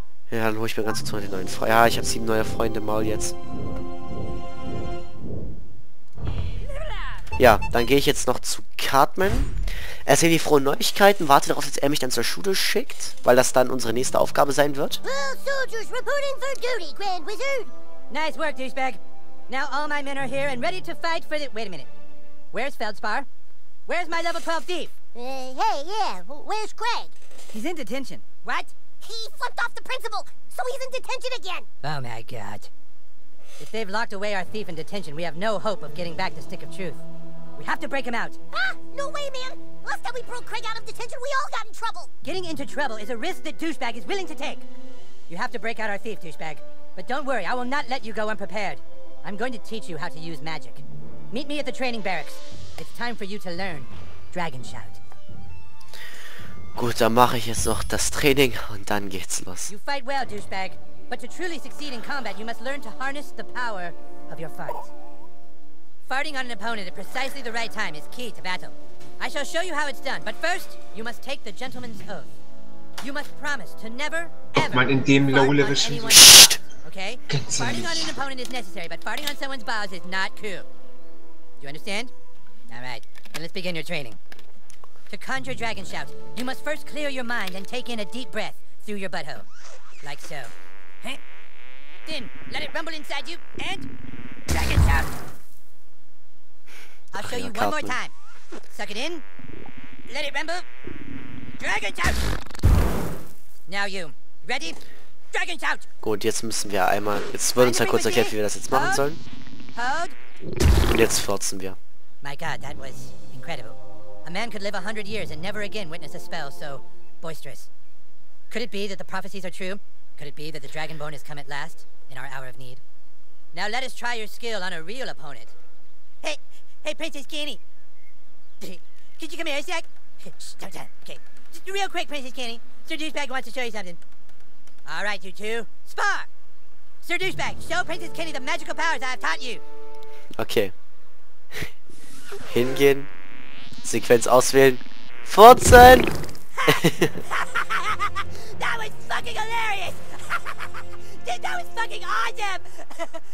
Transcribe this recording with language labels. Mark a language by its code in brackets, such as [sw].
[de] Ja, dann hole ich mir ganz kurz meine neuen Freunde. Ja, ich habe 7 neue Freunde im Maul jetzt. Ja, dann gehe ich jetzt noch zu Cartman. Er sieht die frohen Neuigkeiten, warte darauf, dass er mich dann zur Schule schickt, weil das dann unsere nächste Aufgabe sein wird. [en] Well, soldiers reporting for duty, Grand Wizard. Nice work, douchebag. Now all my men are here and ready to fight for the... Wait a minute. Where's Feldspar? Where's my level 12 thief? Hey, yeah, where's Craig? He's in detention. What? He flipped off the principal, so he's in detention again. Oh my god. If they've locked away our thief in detention, we have no hope of getting back the stick of truth. We have to break him out. Ah, no way, man. Last time we broke Craig out of detention, we all got in trouble. Getting into trouble is a risk that Douchebag is willing to take. You have to break out our thief, Douchebag. But don't worry, I will not let you go unprepared. I'm going to teach you how to use magic. Meet me at the training barracks. It's time for you to learn. Dragon Shout. [de] Gut, dann mache ich jetzt noch das Training und dann geht's los. [en] You fight well, Douchebag. But to truly succeed in combat, you must learn to harness the power of your fart. Farting on an opponent at precisely the right time is key to battle. I shall show you how it's done, but first, you must take the gentleman's oath. You must promise to never, ever fart on anyone's bowels, okay? Farting on an opponent is necessary, but farting on someone's bowels is not cool. Do you understand? Alright, then let's begin your training. To conjure dragon shouts, you must first clear your mind and take in a deep breath through your butthole. Like so. Then, let it rumble inside you, and... Dragon shout! I'll show you one more time. Suck it in. Let it rumble. Dragon shout! Now you. Ready? Dragon shout! [de] Gut, jetzt müssen wir einmal... Jetzt wird uns ja kurz erklärt, wie wir das jetzt machen sollen. [en] Hold. [de] Und jetzt furzen wir. [en] My God, that was incredible. A man could live 100 years and never again witness a spell so boisterous. Could it be that the prophecies are true? Could it be that the Dragonborn has come at last in our hour of need? Now let us try your skill on a real opponent. Hey, hey, Princess Kenny. Could you come here a sec? Okay, just real quick, Princess Kenny. Sir Douchebag wants to show you something. All right, you two, spar. Sir Douchebag, show Princess Kenny the magical powers I have taught you. Okay. [de] Hingehen, Sequenz auswählen, furzen. [en] That was fucking hilarious. Dude, that was fucking awesome.